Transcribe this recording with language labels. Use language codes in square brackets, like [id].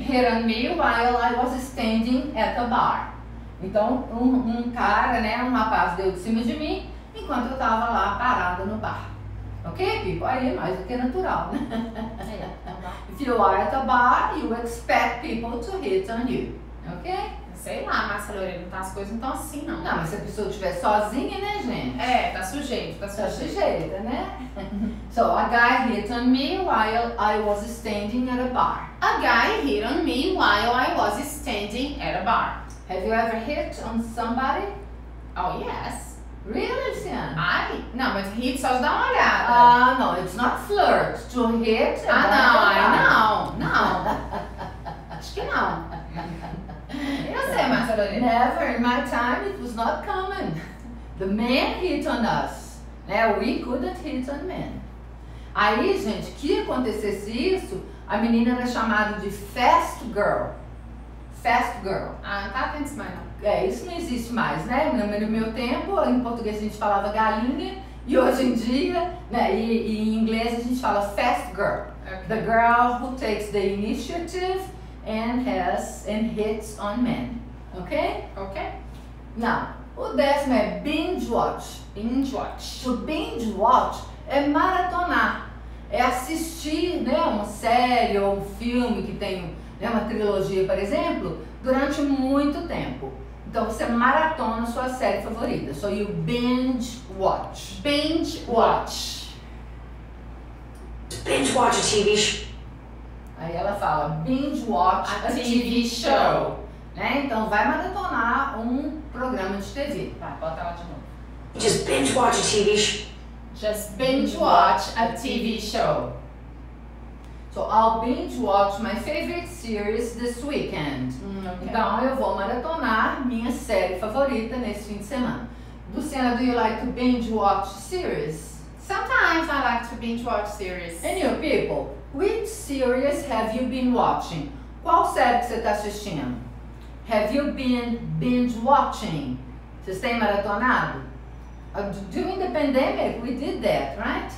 [en] Hit on me while I was standing at the bar. [pt] Então, um cara, né, um rapaz deu de cima de mim enquanto eu tava lá parada no bar. [en] Ok, people? [pt] Aí é mais do que natural, né? [en] Yeah. If you are at the bar, you expect people to hit on you. Ok? That's [pt] sei lá, Márcia Lorena, tá, as coisas não estão assim, não. Não, mas se a pessoa estiver sozinha, né, gente? É, tá sujeito, tá sujeito. Tá sujeita, né? [en] So, a guy hit on me while I was standing at a bar. A guy hit on me while I was standing at a bar. Have you ever hit on somebody? Oh, yes. Really, Luciana? [pt] I? Não, mas hit só dá uma olhada. [en] Ah, no, it's not flirt to hit. [pt] Ah, não, [en] I know. [pt] Não. Acho que não. Eu sei, Márcia Lorena. [en] Never in my time it was not common. The man hit on us. Né? We couldn't hit on men. [pt] Aí, gente, que acontecesse isso, a menina era chamada de fast girl. Fast girl. Ah, não tá tendo mais não. É, isso não existe mais, né? No meu tempo, em português a gente falava galinha, e hoje em dia, né? E em inglês a gente fala fast girl. [en] Okay. The girl who takes the initiative and hits on men. Ok? Ok. [pt] Now, o décimo é binge watch. [en] Binge watch. [pt] To binge watch é maratonar. É assistir, né, uma série ou um filme que tem, né, uma trilogia, por exemplo, durante muito tempo. Então você maratona sua série favorita. [en] So you binge watch. Binge watch. Binge watch a TV show. [pt] Aí ela fala binge watch a TV show. Né? Então vai maratonar um programa de TV. Tá, bota ela de novo. [en] Just binge watch a TV show. Just binge watch a TV show. So, I'll binge watch my favorite series this weekend. Okay. [pt] Então, eu vou maratonar minha série favorita nesse fim de semana. [en] Luciana, do you like to binge watch series? Sometimes I like to binge watch series. And you, people, which series have you been watching? [pt] Qual série que você está assistindo? [en] Have you been binge watching? [pt] Vocês têm maratonado? [en] During the pandemic, we did that, right?